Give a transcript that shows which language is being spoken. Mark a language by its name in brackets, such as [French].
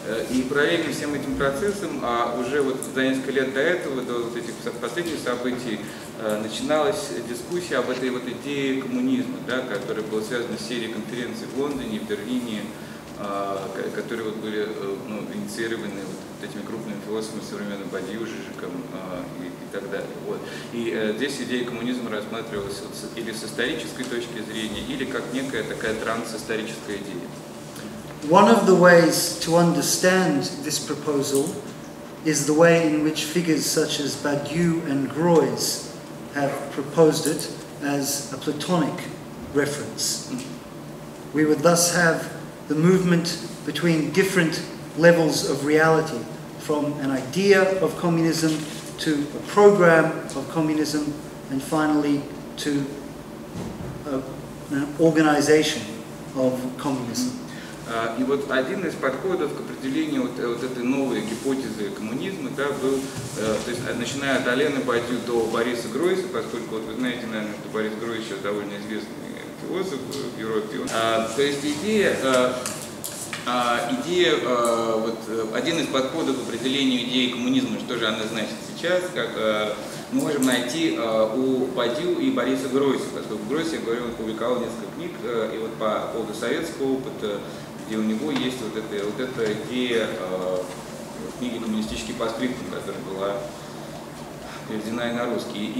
[Russian] И параллельно всем этим процессом, а уже вот за несколько лет до этого, до вот этих последних событий, начиналась дискуссия об этой вот идее коммунизма, да, которая была связана с серией конференций в Лондоне, в Берлине, которые вот были ну, инициированы вот этими крупными философами современным Бадью, Жижиком и так далее. Вот. И здесь идея коммунизма рассматривалась вот или с исторической точки зрения, или как некая такая трансисторическая идея. [English] One of the ways to understand this proposal is the way in which figures such as Badiou and Groys have proposed it as a Platonic reference. We would thus have the movement between different levels of reality, from an idea of communism to a program of communism, and finally to an organization of communism. [Russian] И вот один из подходов к определению вот, вот этой новой гипотезы коммунизма, да, был, то есть, начиная от Алены Бадью до Бориса Гройса, поскольку, вот вы знаете, наверное, что Борис Гройс сейчас довольно известный философ в Европе. То есть один из подходов к определению идеи коммунизма, что же она значит сейчас, как мы можем найти у Бадью и Бориса Гройса, поскольку Гройс, я говорю, он публиковал несколько книг, и вот по поводу советского опыта, где у него есть вот эта идея книги «Коммунистический постскриптум», которая была переведена и на русский.